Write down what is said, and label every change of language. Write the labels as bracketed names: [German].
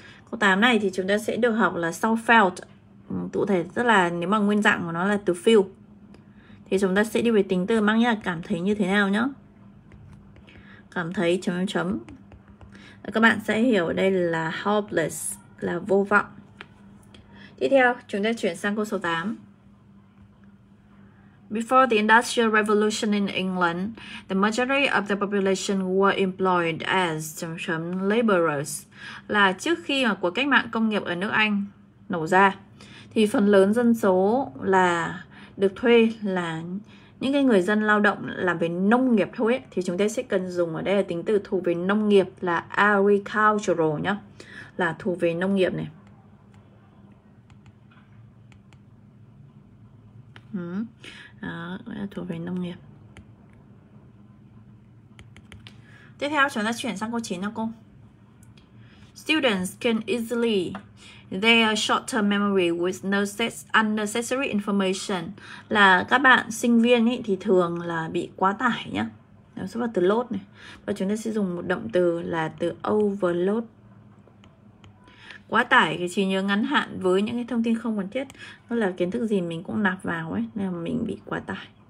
[Vietnamese] Câu 8 này thì chúng ta sẽ được học là so felt. Cụ thể tức là nếu mà nguyên dạng của nó là to feel thì chúng ta sẽ đi về tính từ mang nghĩa là cảm thấy như thế nào nhá, cảm thấy chấm chấm. Các bạn sẽ hiểu đây là hopeless, là vô vọng. Tiếp theo chúng ta chuyển sang câu số 8. [English] Before the Industrial Revolution in England, the majority of the population were employed as [Vietnamese] chấm chấm [English] laborers. [Vietnamese] Là trước khi mà cuộc cách mạng công nghiệp ở nước Anh nổ ra thì phần lớn dân số là được thuê là những cái người dân lao động làm về nông nghiệp thôi ấy. Thì chúng ta sẽ cần dùng ở đây là tính từ thuộc về nông nghiệp là agricultural nhá, là thuộc về nông nghiệp này. Đó, thuộc về nông nghiệp. Tiếp theo chúng ta chuyển sang câu 9 nha cô. [English] Students can easily their short-term memory with no unnecessary information. [Vietnamese] Là các bạn sinh viên ý, thì thường là bị quá tải nhá. Nó sẽ vào từ load này. Và chúng ta sẽ dùng một động từ là từ overload. Quá tải cái trí nhớ ngắn hạn với những cái thông tin không cần thiết. Nó là kiến thức gì mình cũng nạp vào ấy, nên là mình bị quá tải.